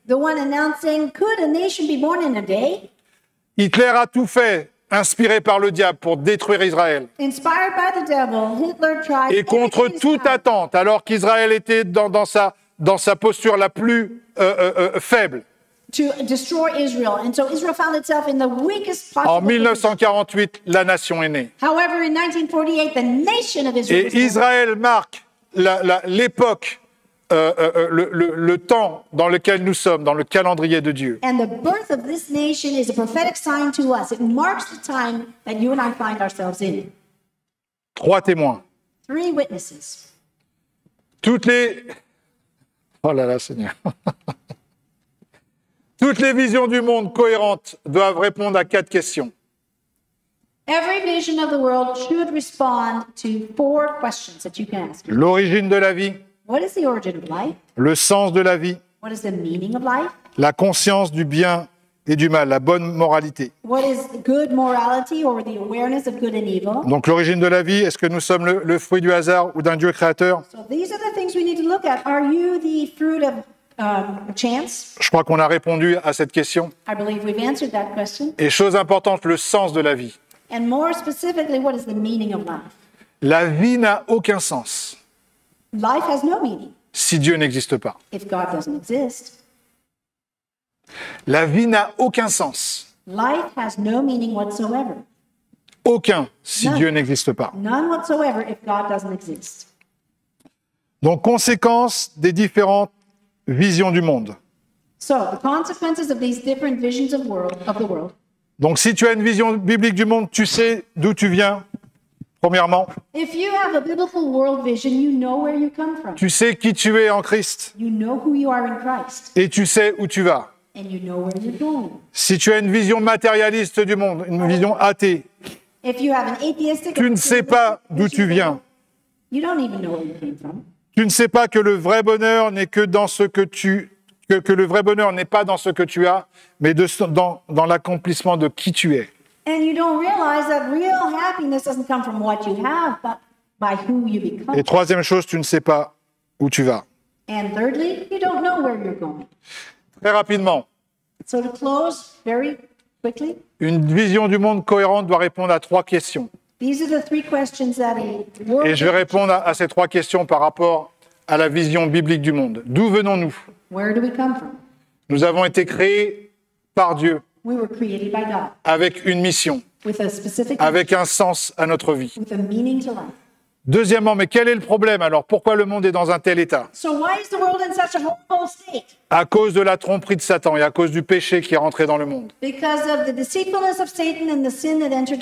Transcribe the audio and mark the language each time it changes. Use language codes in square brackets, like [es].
[en] The one announcing, could a nation be born in a day? [fr] Hitler a tout fait, inspiré par le diable, pour détruire Israël. [en] Inspired by the devil, Hitler tried. [fr] Et contre toute attente, alors qu'Israël était dans sa posture la plus faible. [en] To destroy Israel, and so Israel found itself in the weakest possible. [fr] En 1948, la nation est née. [en] However, in 1948, the nation of Israel. [fr] Et Israël marque l'époque, le temps dans lequel nous sommes dans le calendrier de Dieu. [en] And the birth of this nation is a prophetic sign to us. It marks the time that you and I find ourselves in. [fr] Trois témoins. [en] Three witnesses. [fr] Toutes les. Oh là là, Seigneur. Toutes les visions du monde cohérentes doivent répondre à quatre questions. [en] Every vision of the world should respond to four questions that you can ask. [fr] L'origine de la vie. [en] What is the origin of life? [fr] Le sens de la vie. [en] What is the meaning of life? [fr] La conscience du bien et du mal, la bonne moralité. [en] What is good morality or the awareness of good and evil? [fr] Donc l'origine de la vie, est-ce que nous sommes le fruit du hasard ou d'un Dieu créateur? [en] So these are the things we need to look at. Are you the fruit of chance? [fr] Je crois qu'on a répondu à cette question. [en] I believe we've answered that question. [fr] Et chose importante, le sens de la vie. [en] And more specifically, what is the meaning of life? [fr] La vie n'a aucun sens. [en] Life has no meaning. [fr] Si Dieu n'existe pas. [en] If God doesn't exist. [fr] La vie n'a aucun sens. [en] Life has no meaning whatsoever. [fr] Aucun, si [en] None. [fr] Dieu n'existe pas. [en] None whatsoever if God doesn't exist. [fr] Donc, conséquence des différentes vision du monde. [en] So, the consequences of these different visions of the world. [fr] Donc, si tu as une vision biblique du monde, tu sais d'où tu viens, premièrement. [en] If you have a biblical world vision, you know where you come from. [fr] Tu sais qui tu es en Christ. [en] You know who you are in Christ. [fr] Et tu sais où tu vas. [en] And you know where you're going. [fr] Si tu as une vision matérialiste du monde, une vision athée, [en] if you have an atheistic, [fr] tu ne sais pas d'où tu viens. [en] You don't even know where you came from. [fr] Tu ne sais pas que le vrai bonheur n'est que dans ce que tu que le vrai bonheur n'est pas dans ce que tu as, mais dans l'accomplissement de qui tu es. [en] And you don't realize that real happiness doesn't come from what you have, but by who you become. [fr] Et troisième chose, tu ne sais pas où tu vas. [en] And thirdly, you don't know where you're going. [fr] Très rapidement. [en] So to close very quickly. [fr] Une vision du monde cohérente doit répondre à trois questions. [en] These are the three questions that we work. [fr] Et je vais répondre à ces trois questions par rapport à la vision biblique du monde. D'où venons-nous? [en] Where do we come from? [fr] Nous avons été créés par Dieu. [en] We were created by God. [fr] Avec une mission. [en] With a specific [fr] avec un sens à notre vie. [en] With a meaning to life. [fr] Deuxièmement, mais quel est le problème alors? Pourquoi le monde est dans un tel état? [en] So why is the world in such a horrible state? [fr] À cause de la tromperie de Satan et à cause du péché qui est rentré dans le monde. [en] Because of the deceitfulness of Satan and the sin that entered.